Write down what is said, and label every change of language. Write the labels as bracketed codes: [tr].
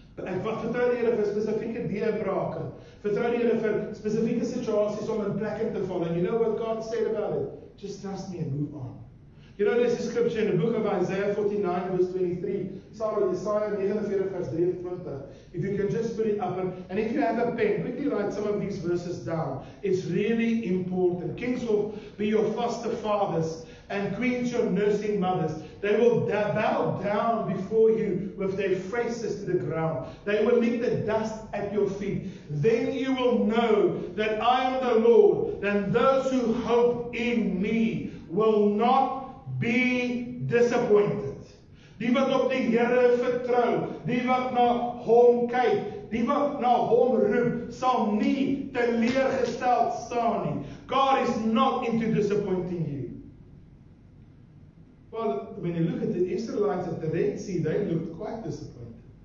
[af] Ek vertrou die Here vir spesifieke deurbrake. Vertrou die Here vir spesifieke situasies om in plek te val. [en] And you know what God said about it? Just trust me and move on. You know there's a scripture in the book of Isaiah 49 verse 23. Isaiah 49 verse 23. If you can just put it up. And if you have a pen, quickly write some of these verses down. It's really important. Kings will be your foster fathers and queens your nursing mothers. They will bow down before you with their faces to the ground. They will lick the dust at your feet. Then you will know that I am the Lord, and those who hope in me will not be disappointed. [af] Die wat op die Here vertrou, die wat na hom kyk, die wat na hom roep, sal nie teleurgesteld staan nie. [en] God is not into disappointing you. Well, when you look at the Israelites at the Red Sea, they looked quite disappointed.